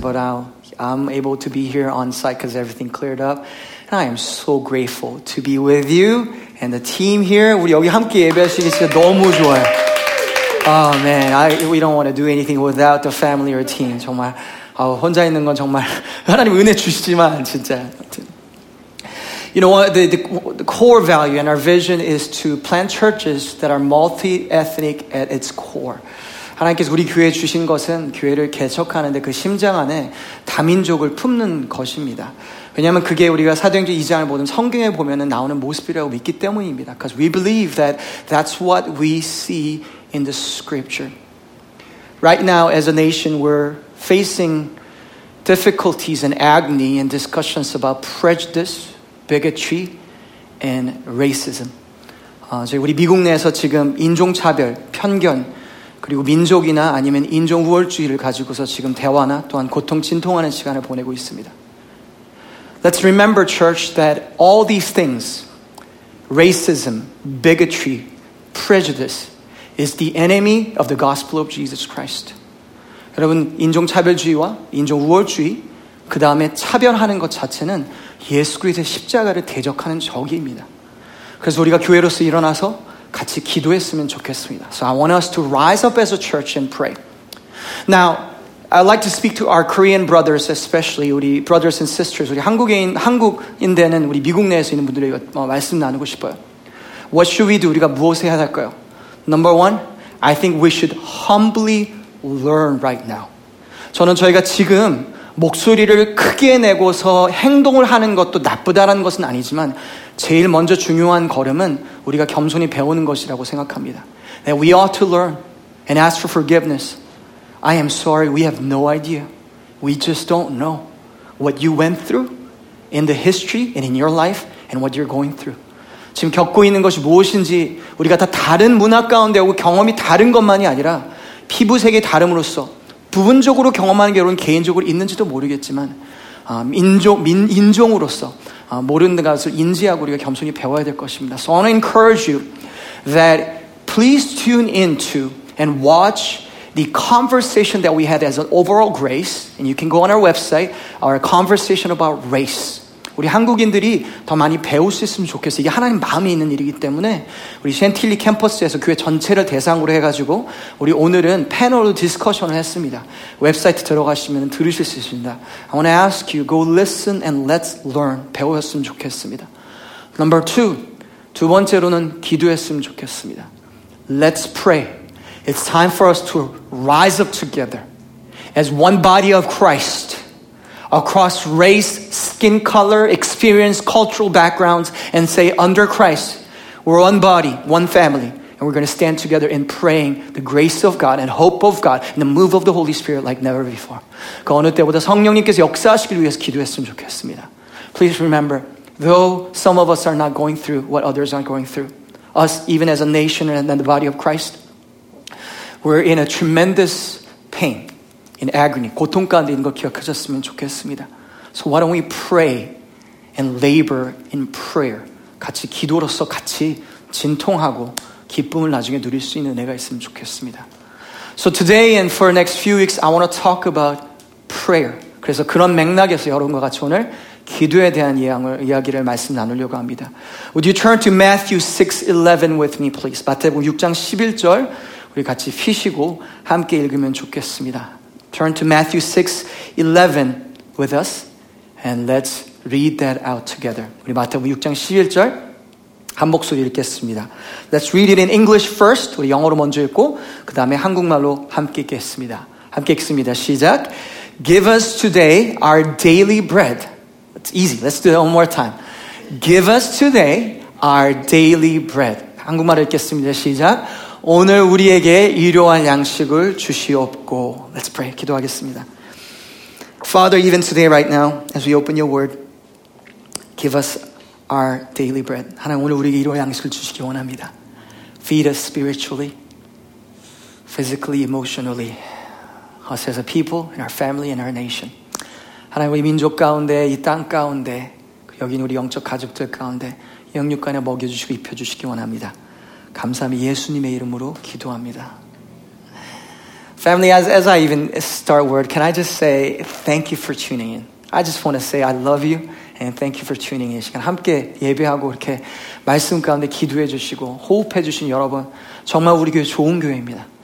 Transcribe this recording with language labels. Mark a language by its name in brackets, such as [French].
[English] But I'm able to be here on site because everything cleared up. And I am so grateful to be with you and the team here. [Korean] 우리 여기 함께 예배할 수 있어서 너무 좋아요. [English] Oh man, we don't want to do anything without the family or team. [Korean] 정말 혼자 있는 건 정말 하나님 은혜 주시지만 진짜. [English] You know what? The core value and our vision is to plant churches that are multi-ethnic at its core. [Korean] 하나님께서 우리 교회에 주신 것은 교회를 개척하는데 그 심장 안에 다민족을 품는 것입니다. 왜냐하면 그게 우리가 사도행전 2장을 보든 성경에 보면은 나오는 모습이라고 믿기 때문입니다. [English] Because we believe that that's what we see in the scripture. Right now, as a nation, we're facing difficulties and agony and discussions about prejudice, bigotry, and racism. [Korean] 저희 우리 미국 내에서 지금 인종차별, 편견, 그리고 민족이나 아니면 인종우월주의를 가지고서 지금 대화나 또한 고통 진통하는 시간을 보내고 있습니다. [English] Let's remember, church, that all these things, racism, bigotry, prejudice, is the enemy of the gospel of Jesus Christ. [Korean] 여러분, 인종차별주의와 인종우월주의, 그 다음에 차별하는 것 자체는 예수 그리스도의 십자가를 대적하는 적입니다. 그래서 우리가 교회로서 일어나서 같이 기도했으면 좋겠습니다. [English] So I want us to rise up as a church and pray. Now, I'd like to speak to our Korean brothers, especially 우리 brothers and sisters, [Korean] 우리 한국인 한국인들은 우리 미국 내에서 있는 분들에게 말씀 나누고 싶어요. [English] What should we do? [Korean] 우리가 무엇을 해야 할까요? [English] Number one, I think we should humbly learn right now. [Korean] 저는 저희가 지금 목소리를 크게 내고서 행동을 하는 것도 나쁘다는 것은 아니지만 제일 먼저 중요한 걸음은 우리가 겸손히 배우는 것이라고 생각합니다. [English] That we ought to learn and ask for forgiveness. I am sorry, we have no idea. We just don't know what you went through in the history and in your life and what you're going through. [Korean] 지금 겪고 있는 것이 무엇인지 우리가 다 다른 문화 가운데 오고 경험이 다른 것만이 아니라 피부색이 다름으로써 부분적으로 경험하는 게 여러분 개인적으로 있는지도 모르겠지만 인종으로서 모르는 것을 인지하고 우리가 겸손히 배워야 될 것입니다. [English] So I want to encourage you that please tune into and watch the conversation that we had as an overall grace, and you can go on our website, our conversation about race. [Korean] 우리 한국인들이 더 많이 배울 수 있으면 좋겠어요. 이게 하나님 마음에 있는 일이기 때문에 우리 샌틸리 캠퍼스에서 교회 전체를 대상으로 해가지고 우리 오늘은 패널로 디스커션을 했습니다. 웹사이트 들어가시면 들으실 수 있습니다. [English] I want to ask you, go listen and let's learn. [Korean] 배우셨으면 좋겠습니다. [English] Number two, [Korean] 두 번째로는 기도했으면 좋겠습니다. [English] Let's pray. It's time for us to rise up together as one body of Christ across race, skin color, experience, cultural backgrounds, and say, under Christ, we're one body, one family, and we're going to stand together in praying the grace of God and hope of God and the move of the Holy Spirit like never before. [Korean] 그 어느 때보다 성령님께서 역사하시길 위해서 기도했으면 좋겠습니다. [English] Please remember, though some of us are not going through what others are going through, us, even as a nation and then the body of Christ, we're in a tremendous pain. In agony, [Korean] 고통 가운데 있는 걸 기억하셨으면 좋겠습니다. [English] So why don't we pray and labor in prayer? [Korean] 같이 기도로서 같이 진통하고 기쁨을 나중에 누릴 수 있는 은혜가 있으면 좋겠습니다. [English] So today and for the next few weeks, I want to talk about prayer. [Korean] 그래서 그런 맥락에서 여러분과 같이 오늘 기도에 대한 이야기를 말씀 나누려고 합니다. [English] Would you turn to Matthew 6:11 with me, please? [Korean] 마태복음 6장 11절 우리 같이 피시고 함께 읽으면 좋겠습니다. [English] Turn to Matthew 6:11 with us and let's read that out together. [Korean] 우리 마태복음 6장 11절 한 목소리 읽겠습니다. [English] Let's read it in English first. [Korean] 우리 영어로 먼저 읽고 그 다음에 한국말로 함께 읽겠습니다. 함께 읽습니다. 시작. [English] Give us today our daily bread. It's easy. Let's do it one more time. Give us today our daily bread. [Korean] 한국말로 읽겠습니다. 시작. 오늘 우리에게 일용할 양식을 주시옵고. [English] Let's pray. [Korean] 기도하겠습니다. [English] Father, even today right now, as we open your word, give us our daily bread. [Korean] 하나님, 오늘 우리에게 일용할 양식을 주시기 원합니다. [English] Feed us spiritually, physically, emotionally, us as a people, and our family, and our nation. [Korean] 하나님, 우리 민족 가운데, 이 땅 가운데, 여긴 우리 영적 가족들 가운데, 영육간에 먹여주시고 입혀주시기 원합니다. 감사합니다. 예수님의 이름으로 기도합니다. [English] Family, as I even start word, can I just say thank you for tuning in? I just want to say I love you and thank you for tuning in. [Korean] 시간 함께 예배하고 이렇게 말씀 가운데 기도해 주시고 호흡해 주신 여러분, 정말 우리 교회 좋은 교회입니다.